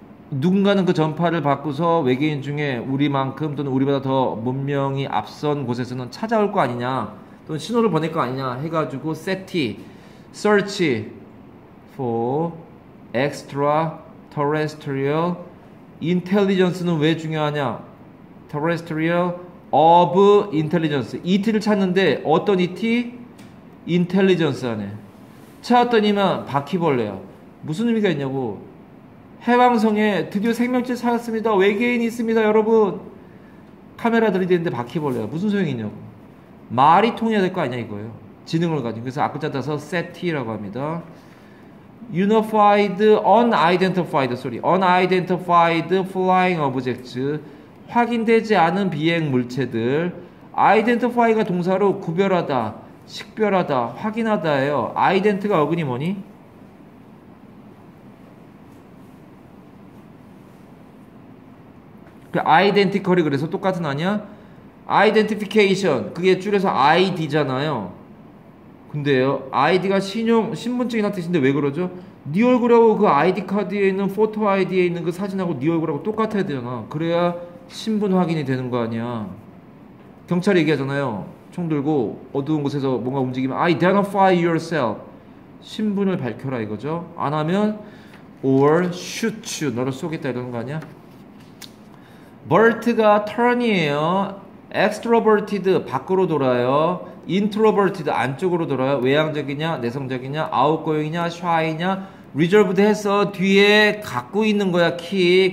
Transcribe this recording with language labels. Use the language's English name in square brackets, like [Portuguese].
[Korean] 누군가는 그 전파를 받고서 외계인 중에 우리만큼 또는 우리보다 더 문명이 앞선 곳에서는 찾아올 거 아니냐, 또는 신호를 보낼 거 아니냐 해가지고 SETI, [English] Search for Extraterrestrial Intelligence [Korean] 는 왜 중요하냐? [English] Terrestrial of Intelligence. [Korean] ET를 찾는데 어떤 ET? Intelligence 안에 찾았더니만 바퀴벌레야. 무슨 의미가 있냐고. 해왕성에 드디어 생명체 찾았습니다. 외계인이 있습니다, 여러분. 카메라 들이대는데 바퀴벌레야. 무슨 소용이 있냐고. 말이 통해야 될 거 아니야, 이거예요. 지능을 가진. 그래서 앞글자 따서 SETI라고 합니다. [English] Unified, unidentified, sorry, unidentified flying objects, [Korean] 확인되지 않은 비행 물체들. Identify가 동사로 구별하다, 식별하다, 확인하다예요. Ident가 어근이 뭐니? 그 identically 그래서 똑같은 아니야? Identification 그게 줄여서 ID잖아요. 근데요, ID가 신용 신분증이나 뜻인데 왜 그러죠? 네 얼굴하고 그 아이디 카드에 있는 포토 아이디에 있는 그 사진하고 네 얼굴하고 똑같아야 되잖아. 그래야 신분 확인이 되는 거 아니야. 경찰이 얘기하잖아요. 총 들고 어두운 곳에서 뭔가 움직이면 [English] Identify yourself. [Korean] 신분을 밝혀라 이거죠. 안 하면 [English] Or shoot you. [Korean] 너를 쏘겠다 이러는 거 아니야. Vert가 turn이에요. Extroverted 밖으로 돌아요. Introverted 안쪽으로 돌아요. 외향적이냐 내성적이냐 아웃고잉이냐 shy이냐 reserved 해서 뒤에 갖고 있는 거야 키.